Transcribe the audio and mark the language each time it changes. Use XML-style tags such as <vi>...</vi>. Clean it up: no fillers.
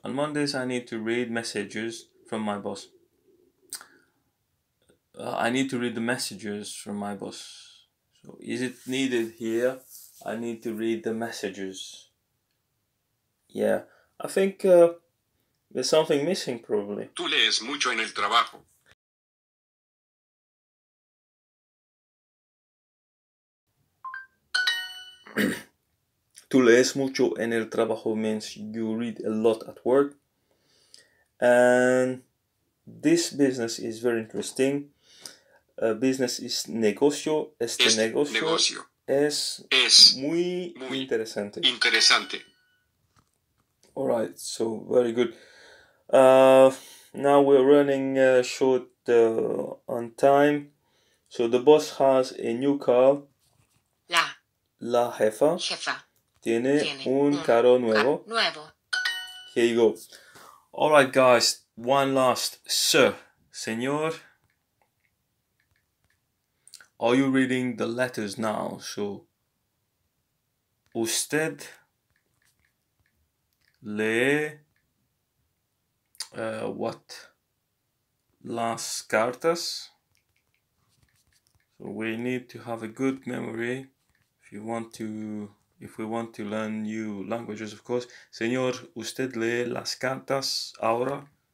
<en>On Mondays, I need to read messages from my boss. I need to read the messages from my boss. So is it needed here? I need to read the messages. Yeah, I think there's something missing probably.</en> <es>Tú lees mucho en el trabajo. Tú lees mucho en el trabajo</es> <en>means you read a lot at work. And this business is very interesting. Business is negocio.</en> <es>Este negocio, negocio es muy, muy interesante. Interesante.</es> <en>All right, so very good. Now we're running short on time. So the boss has a new car.</en> <es>La jefa. Jefa. Tiene un carro nuevo. Nuevo.</es> <en>Here you go. All right, guys. One last. Sir. Señor. Are you reading the letters now? So,</en> <es>usted lee</es> <en>what?</en> <es>Las cartas.</es> <en>So, we need to have a good memory if you want to... If we want to learn new languages, of course.</en> <es>Señor, usted lee las cartas ahora.</es>